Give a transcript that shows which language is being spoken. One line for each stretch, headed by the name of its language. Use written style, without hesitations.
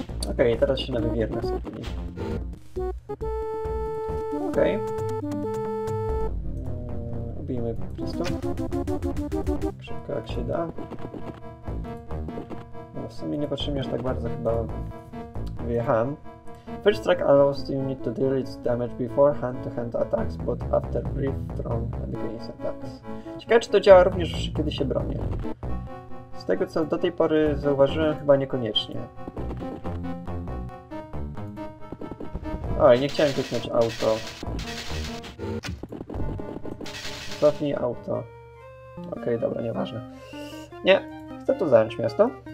Polish: Okej, okay, teraz się na wywierne skupili. Okej. Okay. Ubijmy po prostu. Szybko jak się da. No, w sumie nie potrzebuję aż tak bardzo chyba... Wyjechałem.
English: First strike allows the unit to deal its damage before hand-to-hand attacks, but after brief thrown and against attacks.
Polish: Ciekawe, czy to działa również, kiedy się bronię. Z tego, co do tej pory zauważyłem, chyba niekoniecznie. Oj, nie chciałem wyciąć auto. Cofnij auto. Okej, dobra, nieważne. Nie, chcę tu zająć miasto.